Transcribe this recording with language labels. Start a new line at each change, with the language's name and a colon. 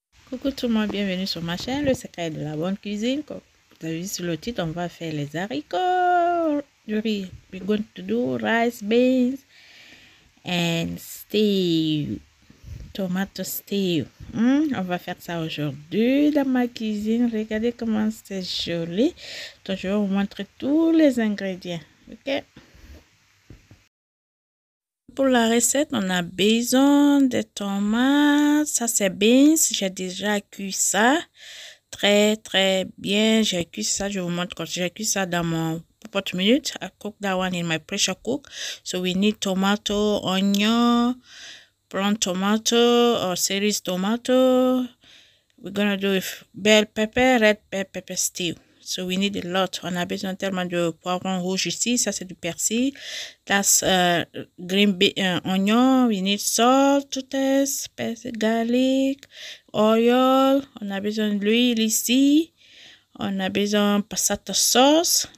French: Coucou tout le monde, bienvenue sur ma chaîne, le secret de la bonne cuisine. Comme vous avez vu sur le titre, on va faire les haricots, du riz.
English: We're going to do rice, beans, and stew, tomato stew.
French: On va faire ça aujourd'hui dans ma cuisine. Regardez comment c'est joli. Donc, je vais vous montrer tous les ingrédients, ok? Pour la recette, on a besoin de tomates. Ça, c'est beans. J'ai déjà cuit ça très, très bien. J'ai cuit ça. Je vous montre quand j'ai cuit ça dans mon porte-minute.
English: I cook that one in my pressure cook. So, we need tomato, onion, brown tomato, or series tomato. We're gonna do with bell pepper, red bell pepper stew. So we need a lot.
French: On a besoin tellement de poivron rouge ici. Ça c'est du persil.
English: That's green onion. We need salt to taste. Garlic, oil.
French: On a besoin de l'huile ici. On a besoin de passata sauce.